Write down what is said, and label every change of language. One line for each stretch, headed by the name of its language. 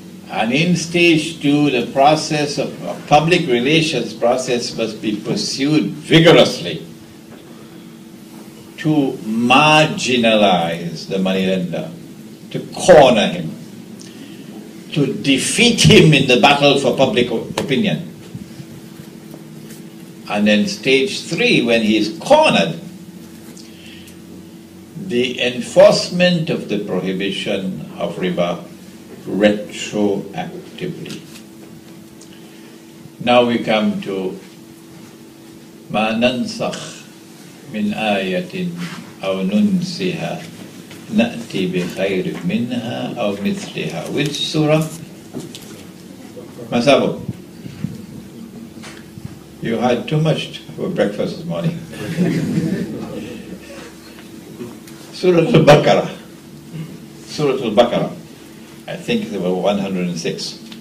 English: And in stage two, the process of public relations process must be pursued vigorously to marginalize the moneylender, to corner him, to defeat him in the battle for public opinion. And then stage three, when he is cornered, the enforcement of the prohibition of riba retroactively. Now we come to
Arabic: مَا نَنْسَخْ مِنْ آيَةٍ أَوْ نُنْسِهَا نَأْتِ بِخَيْرٍ مِنْهَا أَوْ مِثْلِهَا.
English: Which surah? Masabu, you had too much for breakfast this morning. Surah Al-Baqarah. Surah Al-Baqarah. I think it was 106.